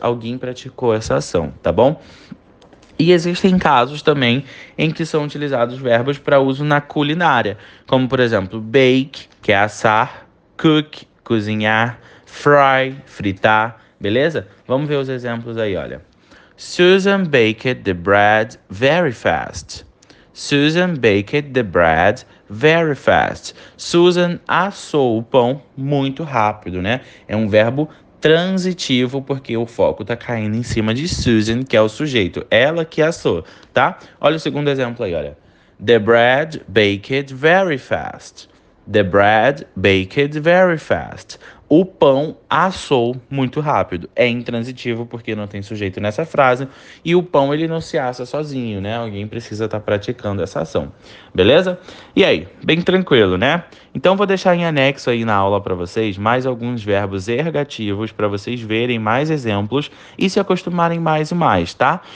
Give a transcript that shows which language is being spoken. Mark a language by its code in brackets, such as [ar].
[pt] Alguém praticou essa ação, tá bom? E existem casos também em que são utilizados verbos para uso na culinária, como por exemplo, bake, que é assar, cook, cozinhar, fry, fritar, beleza? Vamos ver os exemplos aí, olha. [en] Susan baked the bread very fast. Susan baked the bread very fast. [pt] Susan assou o pão muito rápido, né? É um verbo transitivo porque o foco tá caindo em cima de Susan, que é o sujeito. Ela que assou, tá? Olha o segundo exemplo aí, olha. [en] The bread baked very fast. The bread baked very fast. [pt] O pão assou muito rápido. É intransitivo porque não tem sujeito nessa frase. E o pão ele não se assa sozinho, né? Alguém precisa estar praticando essa ação. Beleza? E aí, bem tranquilo, né? Então vou deixar em anexo aí na aula para vocês mais alguns verbos ergativos para vocês verem mais exemplos e se acostumarem mais e mais, tá?